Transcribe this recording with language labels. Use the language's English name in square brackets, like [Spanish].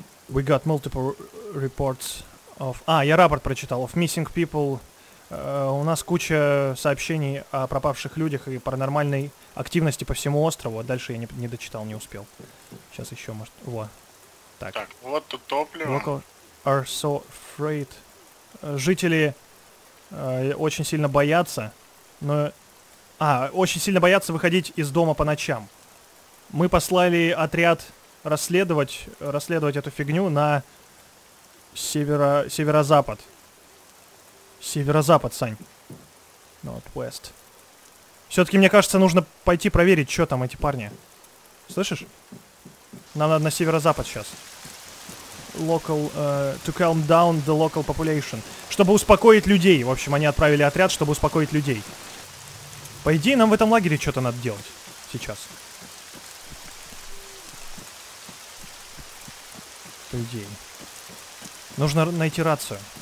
[English] We got multiple reports of... [Russian] А, я рапорт прочитал. [English] Of missing people. [Russian] У нас куча сообщений о пропавших людях и паранормальной активности по всему острову. А дальше я не дочитал, не успел. Сейчас еще, может... Во. Так. Так, вот тут топливо. [English] Local are so afraid. [Russian] Жители... очень сильно боятся, но... А, очень сильно боятся выходить из дома по ночам. Мы послали отряд расследовать эту фигню на северо-запад. Северо-запад, Сань. [English] Northwest. [Russian] Все-таки, мне кажется, нужно пойти проверить, что там эти парни. Слышишь? Нам надо на северо-запад сейчас. [English] Local, to calm down the local population. [Russian] Чтобы успокоить людей. В общем, они отправили отряд, чтобы успокоить людей. По идее, нам в этом лагере что-то надо делать сейчас. По идее. Нужно найти рацию.